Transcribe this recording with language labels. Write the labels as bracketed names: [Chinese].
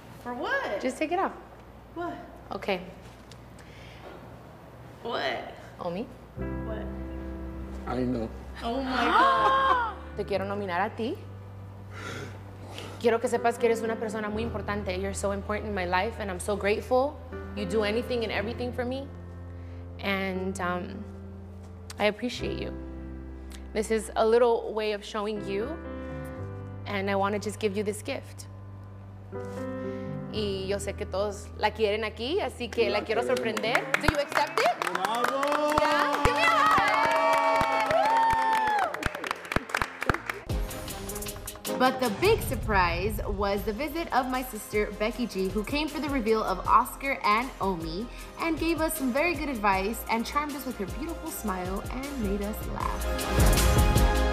[English] For what? Just take it off. What? Okay. What? Omi. What? I know. Oh my God. [Spanish] Te quiero nominar a ti. Quiero que sepas que eres una persona muy importante. [English] You're so important in my life, and I'm so grateful. You do anything and everything for me, and I appreciate you. This is a little way of showing you, and I want to just give you this gift. [Spanish] Y yo sé que todos la quieren aquí, así que la quiero sorprender. [English] Do you accept it? [Spanish] ¡Bravo! [English] Yeah. Give me a But the big surprise was the visit of my sister, Becky G, who came for the reveal of Oscar and Omi and gave us some very good advice and charmed us with her beautiful smile and made us laugh.